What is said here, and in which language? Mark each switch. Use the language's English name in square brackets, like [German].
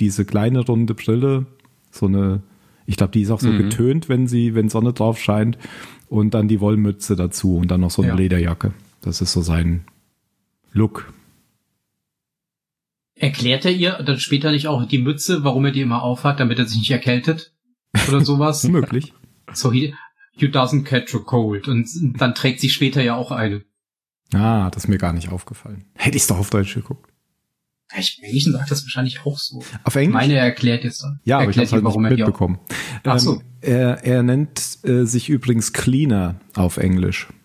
[German] Diese kleine runde Brille, so eine, ich glaube, die ist auch so getönt, wenn Sonne drauf scheint. Und dann die Wollmütze dazu und dann noch so eine Lederjacke. Das ist so sein Look. Erklärt er ihr dann später nicht auch die Mütze, warum er die immer aufhat, damit er sich nicht erkältet? Oder sowas? Unmöglich. [English] So, you doesn't catch a cold. [German] Und dann trägt sie später ja auch eine. Ah, das ist mir gar nicht aufgefallen. Hätte ich es doch auf Deutsch geguckt. Ich Griechen sagt das wahrscheinlich auch so. Auf Englisch? Meine erklärt jetzt dann. Ja, aber ich habe es halt nicht mitbekommen. Ach so. Er nennt sich übrigens Cleaner auf Englisch.